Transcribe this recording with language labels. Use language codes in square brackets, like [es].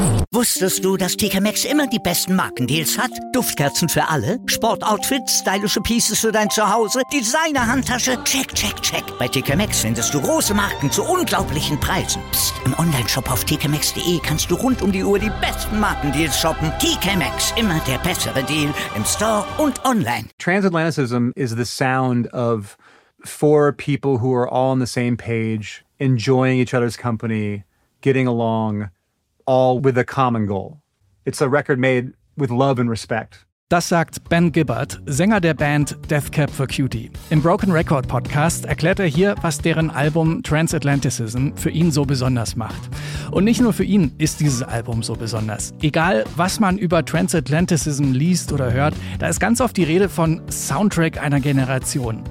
[de] Wusstest du, dass TK Maxx immer die besten Markendeals hat? Duftkerzen für alle, Sportoutfits, stylische Pieces für dein Zuhause, Designer-Handtasche, check, check, check. Bei TK Maxx findest du große Marken zu unglaublichen Preisen. Psst. Im Onlineshop auf tkmaxx.de kannst du rund um die Uhr die besten Markendeals shoppen. TK Maxx, immer der bessere Deal im Store und online. [en] Transatlanticism is the sound of four people who are all on the same page, enjoying each other's company, getting along, all with a common goal. It's a record made with love and respect. [de] Das sagt Ben Gibbard, Sänger der Band Death Cab for Cutie. Im Broken Record Podcast erklärt er hier, was deren Album Transatlanticism für ihn so besonders macht. Und nicht nur für ihn ist dieses Album so besonders. Egal, was man über Transatlanticism liest oder hört, da ist ganz oft die Rede von Soundtrack einer Generation.